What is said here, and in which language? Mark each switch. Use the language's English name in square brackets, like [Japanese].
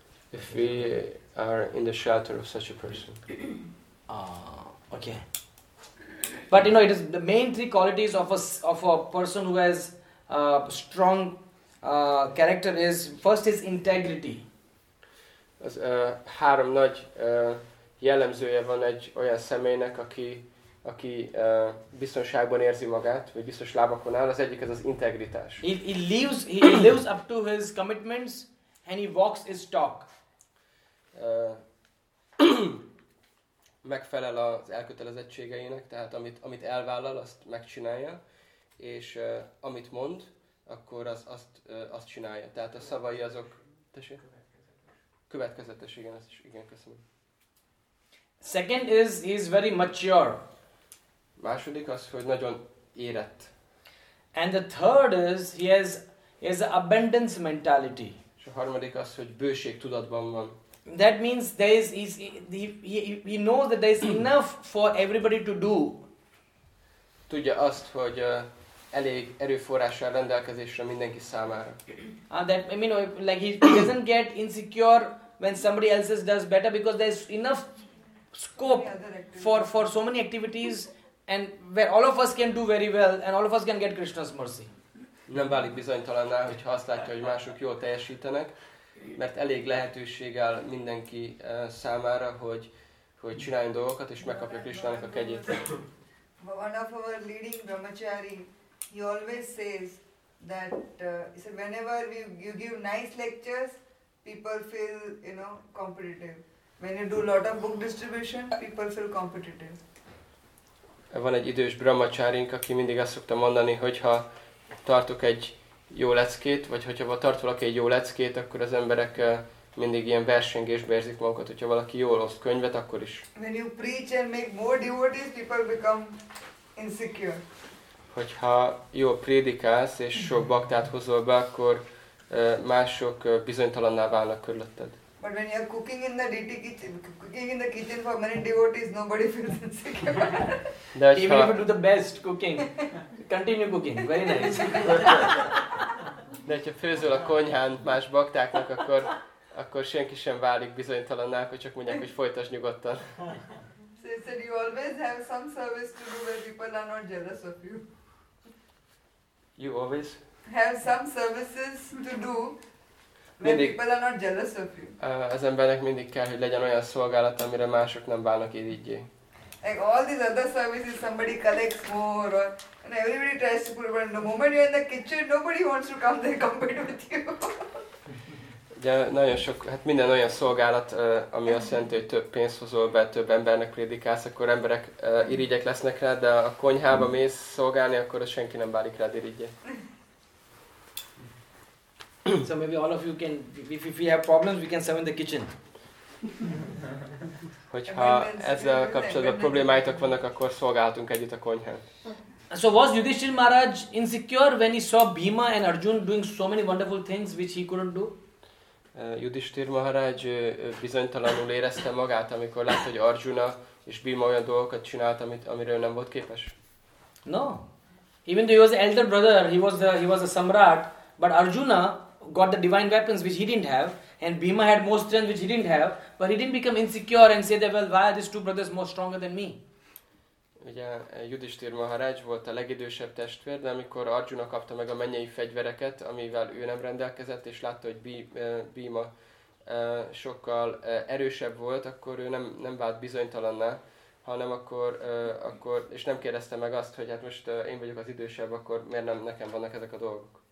[English] If we are in the shelter of such a person. Okay. But you know, it is the main three qualities of a person who has strong character is first is integrity. [Hungarian] Az három nagy jellemzője van egy olyan személynek, aki biztonságban érzi magát, vagy biztos lábakon áll. Az egyik ez az integritás. [English] He lives up to his commitments and he walks his talk. [Hungarian] Megfelel az elkötelezettségeinek, tehát amit elvállal, azt megcsinálja, és amit mond, akkor azt csinálja. Tehát a szavai azok következetes, igen, ezt is igen, köszönöm. [English] Second is, he is very mature. [Hungarian] Második az, hogy nagyon érett. [English] And the third is, he has abundance mentality. [Hungarian] És a harmadik az, hogy bőségtudatban van. [English] That means he knows that there is enough for everybody to do. [Hungarian] Tudja azt, hogy elég erőforrással rendelkezésre mindenki számára. [English] He doesn't get insecure when somebody else does better because there is enough scope for so many activities, and where all of us can do very well, and all of us can get Krishna's mercy. [Hungarian] Nem válik bizonytalanná, hogyha azt látja, hogy mások jól teljesítenek, mert elég lehetőség áll mindenki számára, hogy csináljon dolgokat, és megkapja Krishnának a kegyét. [English] One of our leading brahmachari, he always says that so whenever you give nice lectures, people feel, you know, competitive. When you do a lot of book distribution, people feel competitive. [Hungarian] Van egy idős brahmacharink, aki mindig azt szokta mondani, hogyha tartok egy jó leckét, vagy hogyha tart valaki egy jó leckét, akkor az emberek mindig ilyen versengésbe érzik magukat, hogyha valaki jól oszt könyvet, akkor is. [English] When you preach and make more devotees, people become insecure. [Hungarian] Hogyha jól prédikálsz és sok baktát hozol be, akkor mások bizonytalanná válnak körülötted. [English] But when you are cooking in the deity kitchen, cooking in the kitchen for many devotees, nobody feels insecure. Even if you do the best cooking, continue cooking, very nice. [Hungarian] De hogyha főzöl a konyhán más baktáknak, akkor senki sem válik bizonytalanná, akkor csak mondják, hogy folytasd nyugodtan. [English] So you said you always have some service to do where people are not jealous of you. You always? Have some services to do. [Hungarian] Mindig, [English] people are not jealous of you. [Hungarian] Az embernek mindig kell, hogy legyen olyan szolgálat, amire mások nem válnak irigyé. [English] Like all these other services, somebody collects more, or, and everybody tries to put it, but the moment you're in the kitchen, nobody wants to come there compete with you. [Hungarian] Ugye nagyon sok, hát minden olyan szolgálat, ami azt jelenti, hogy több pénzt hozol be, több embernek prédikálsz, akkor emberek irigyek lesznek rá, de a konyhába mész szolgálni, akkor senki nem válik rád irigyé. [English] So maybe all of you can, if we have problems, we can serve in the kitchen. [Hungarian] Hogyha ezzel kapcsolatban problémáitok vannak, akkor szolgálhatunk együtt a konyhán. [English] So was Yudhishthir Maharaj insecure when he saw Bhima and Arjun doing so many wonderful things which he couldn't do? [Hungarian] Yudhishthir Maharaj bizonytalanul érezte magát, amikor látta, hogy Arjuna és Bhima olyan dolgokat csinált, amiről nem volt képes? [English] No. Even though he was the elder brother, he was a samrat, but Arjuna got the divine weapons which he didn't have, and Bhima had more strength which he didn't have, but he didn't become insecure and say that, well, why are these two brothers more stronger than me? [Hungarian] Ugye Yudhishthir Maharaj volt a legidősebb testvér, de amikor Arjuna kapta meg a mennyei fegyvereket, amivel ő nem rendelkezett, és látta, hogy Bhima sokkal erősebb volt, akkor ő nem vált bizonytalanná, hanem akkor és nem kérdezte meg azt, hogy hát most én vagyok az idősebb, akkor miért nem nekem vannak ezek a dolgok.